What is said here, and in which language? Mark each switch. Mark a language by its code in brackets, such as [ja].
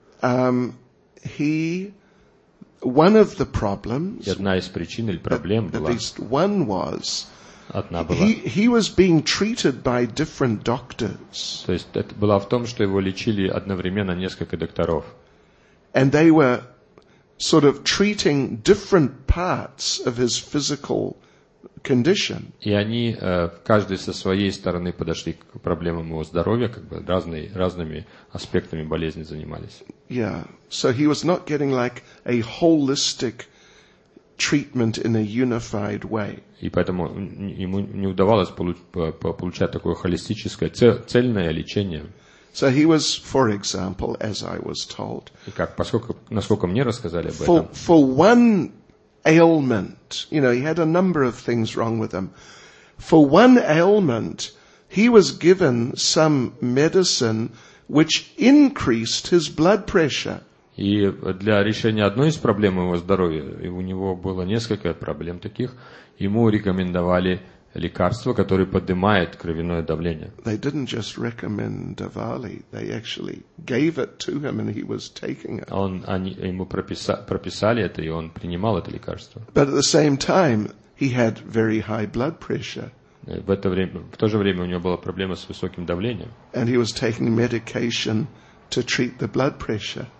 [en] One of the problems, [ru] одна из причин или проблем [en] at [ru] была, [en] least one was, [ru] одна была, [en] he was being treated by different doctors. [ru] То есть это было в том, что его лечили одновременно несколько докторов. [en] And they were sort of treating different parts of his physical condition. [ru] И они каждый со своей стороны подошли к проблемам его здоровья, как бы разными аспектами болезни занимались. [en] Yeah, so he was not getting like a holistic treatment in a unified way. [ru] И поэтому ему не удавалось получать такое холистическое цельное лечение. [en] So he was, for example, as I was told. [ru] И как, насколько мне рассказали об этом. [en] For one ailment, you know, he had a number of things wrong with him. For one ailment, he was given some medicine which increased his blood pressure. [ru] И для решения одной из проблем его здоровья, и у него было несколько проблем таких, ему рекомендовали лекарство, которое поднимает кровяное давление. [en] They didn't just recommend Diwali, they actually gave it to him and he was taking it. [ru] Они ему прописали это, и он принимал это лекарство. [en] But at the same time, he had very high blood pressure. [ru] В то же время у него была проблема с высоким давлением. [en] And he was taking medication to treat the blood pressure.